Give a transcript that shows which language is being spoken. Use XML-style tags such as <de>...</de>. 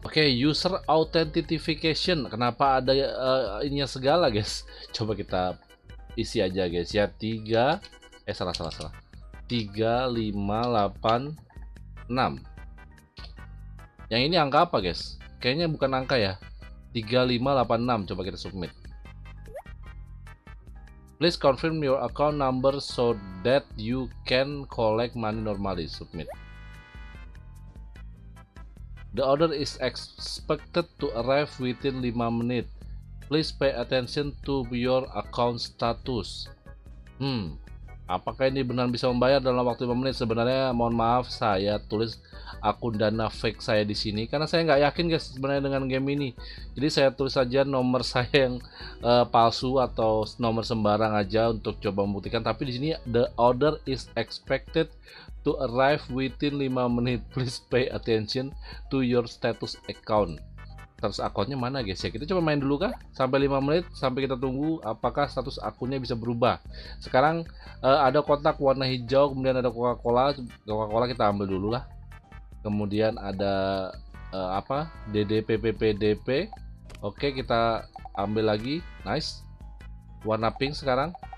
<id>Oke, okay,</id> <en>user authentication.</en> <id>Kenapa ada ininya segala, guys? Coba kita isi aja, guys, ya. 3 eh salah salah salah 3 5 8 6. Yang ini angka apa, guys? Kayaknya bukan angka ya. 3586, coba kita submit.</id> <en>Please confirm your account number so that you can collect money normally. Submit. The order is expected to arrive within 5 menit. Please pay attention to your account status.</en> <id>Apakah ini benar bisa membayar dalam waktu 5 menit? Sebenarnya mohon maaf, saya tulis akun dana fake saya di sini karena saya nggak yakin, guys, sebenarnya dengan game ini. Jadi saya tulis saja nomor saya yang palsu atau nomor sembarang aja untuk coba membuktikan. Tapi di sini</id> <en>the order is expected to arrive within 5 menit. Please pay attention to your status account.</en> <id>Status akunnya mana, guys, ya? Kita coba main dulu kah sampai 5 menit, sampai kita tunggu apakah status akunnya bisa berubah. Sekarang ada kotak warna hijau, kemudian ada Coca-Cola. Coca-Cola kita ambil dulu lah. Kemudian ada apa? DDP PPDP. Oke, kita ambil lagi. Nice. Warna pink sekarang.</id>